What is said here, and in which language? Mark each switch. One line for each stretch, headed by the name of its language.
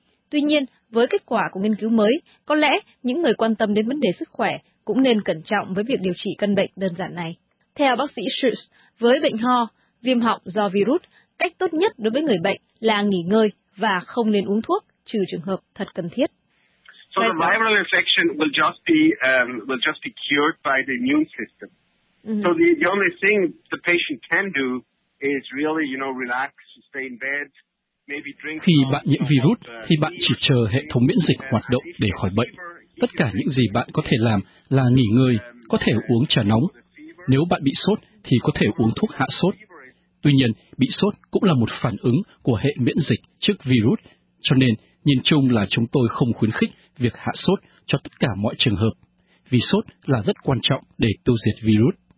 Vietnamese: Tuy nhiên, với kết quả của nghiên cứu mới, có lẽ những người quan tâm đến vấn đề sức khỏe cũng nên cẩn trọng với việc điều trị căn bệnh đơn giản này. Theo bác sĩ Schultz, với bệnh ho, viêm họng do virus, cách tốt nhất đối với người bệnh là nghỉ ngơi và không nên uống thuốc trừ trường hợp thật cần thiết.
English: So the viral infection will just be cured by the immune system. So the only thing the patient can do is really, you know, relax, stay in bed.
Vietnamese: Khi bạn nhiễm virus, thì bạn chỉ chờ hệ thống miễn dịch hoạt động để khỏi bệnh. Tất cả những gì bạn có thể làm là nghỉ ngơi, có thể uống trà nóng. Nếu bạn bị sốt, thì có thể uống thuốc hạ sốt. Tuy nhiên, bị sốt cũng là một phản ứng của hệ miễn dịch trước virus, cho nên nhìn chung là chúng tôi không khuyến khích việc hạ sốt cho tất cả mọi trường hợp, vì sốt là rất quan trọng để tiêu diệt virus.